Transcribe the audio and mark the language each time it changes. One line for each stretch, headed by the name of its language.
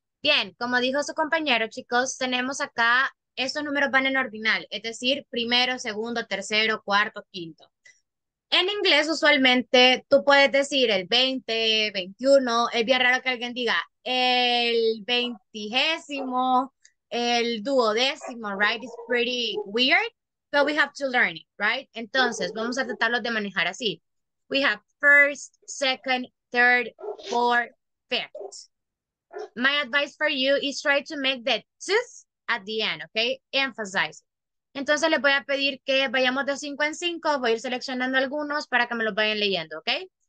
Spanish: Bien, como dijo su compañero, chicos, tenemos acá, estos números van en ordinal, es decir, primero, segundo, tercero, cuarto, quinto. En inglés, usualmente, tú puedes decir el 20, 21, es bien raro que alguien diga el veintigésimo, el duodécimo, right?
English: It's pretty weird, but we have to learn it, right?
Spanish: Entonces, vamos a tratarlos de manejar así.
English: We have first, second, third, fourth, fifth. My advice for you is try to make the tooth at the end, okay? Emphasize.
Spanish: Entonces les voy a pedir que vayamos de 5 en 5. Voy a ir seleccionando algunos para que me los vayan leyendo, okay?